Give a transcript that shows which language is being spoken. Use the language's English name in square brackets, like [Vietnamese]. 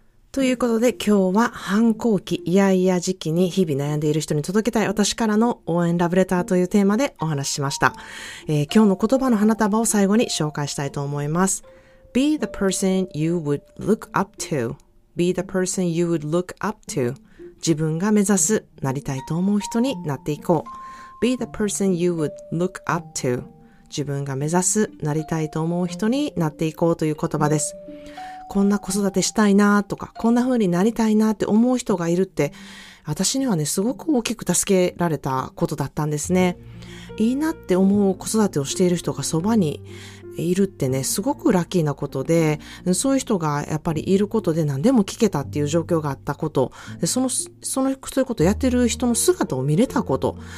[Japanese] ということで今日は反抗期イヤイヤ時期に日々悩んでいる人に届けたい私からの応援ラブレターというテーマでお話ししました。今日の言葉の花束を最後に紹介したいと思います。 [English] Be the person you would look up to. Be the person you would look up to. [Japanese] 自分が目指す、なりたいと思う人になっていこう。 [English] Be the person you would look up to. [Japanese] 自分が目指す、なりたいと思う人になっていこうという言葉です。こんな子育てしたいなとか、こんな風になりたいなって思う人がいるって、私にはね、すごく大きく助けられたことだったんですね。いいなって思う子育てをしている人がそばにいるってね、すごくラッキーなことで、そういう人がやっぱりいることで何でも聞けたっていう状況があったこと、その、そういうことをやってる人の姿を見れたこと、